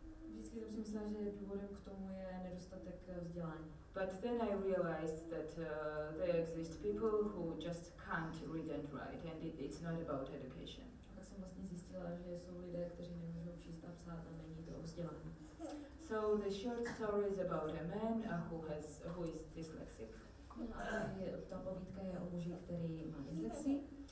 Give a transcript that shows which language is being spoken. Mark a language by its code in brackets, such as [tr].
[cs] Vždycky jsem si myslela, že důvodem k tomu je nedostatek vzdělání. [en] But then I realized that there exist people who just can't read and write, and it's not about education. [cs] Tak jsem vlastně zjistila, že jsou lidé, kteří nemůžou číst a psát, a není to o vzdělání. [en] So the short story is about a man who is dyslexic. [cs] Ta povídka je o muži, který má dyslexii.